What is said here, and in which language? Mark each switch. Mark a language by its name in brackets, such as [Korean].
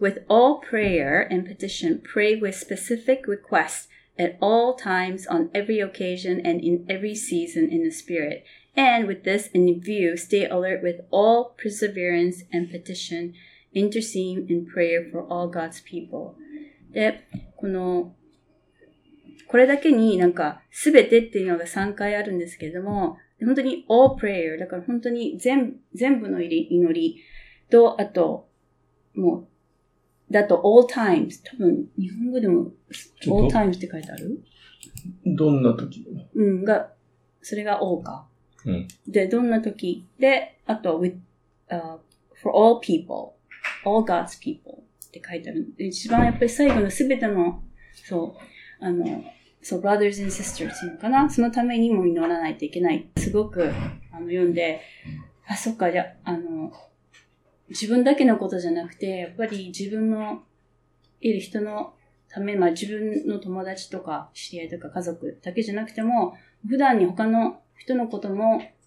[English] With all prayer and petition, pray with specific requests at all times, on every occasion, and in every season in the Spirit. And with this in view, stay alert with all perseverance and petition, interceding in prayer for all God's people. [Japanese] で、この、これだけになんかすべてっていうのが3回あるんですけれども、本当に [English] all prayer [Japanese] だから本当に全部の祈りと、あと、もう、だと [English] all times [Japanese] 多分日本語でも [English] all times [Japanese] って書いてある？どんな時？うん、が、それが O か。うん。で、どんな時？で、あと、 [English] with, for all people, all God's people [Japanese] って書いてある。一番やっぱり最後のすべての、そう、あの、そう、 [English] brothers and sisters [Japanese] っていうのかな？そのためにも祈らないといけない。すごく、あの、読んで、あ、そっか、じゃ、あの、自分だけのことじゃなくて、やっぱり自分の、いる人の、まあ、自分の友達とか知り合いとか家族だけじゃなくても普段に他の人のことも